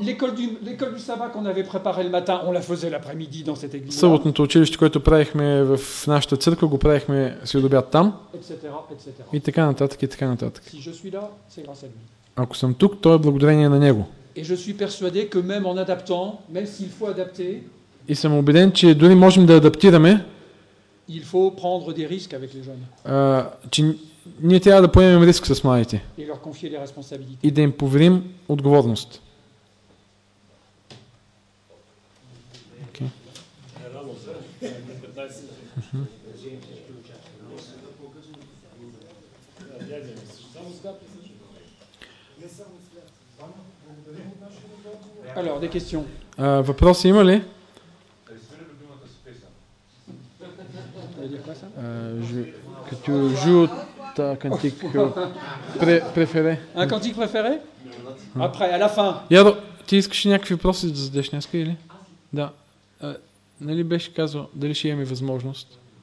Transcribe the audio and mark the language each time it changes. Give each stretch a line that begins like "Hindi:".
French: L'école du sabbat qu'on avait préparé le matin, on la faisait l'après-midi dans cette église.
Bulgarian: Съботното училище, което правихме в нашата църква, го правихме следобед там. И така нататък, и така нататък.
French: Si je suis là, c'est grâce à lui.
Bulgarian: Ако съм тук, то е благодарение на него.
French: Et je suis persuadé que même en adaptant, même s'il faut adapter.
Bulgarian: И съм убеден, че дори можем да адаптираме.
French: Il faut prendre des risques avec les jeunes.
Bulgarian: Ние трябва да поемем риск с младите и да им поверим отговорност.
French: Alors, des questions.
Bulgarian: Вопрос има ли?
French: Que tu joues ta cantique préférée? Un cantique préféré? Après, à la fin.
Bulgarian: Ядро, ти искаш някакви въпроси да задеш днеска или? Да. Нали беше казал дали ще имаме възможност?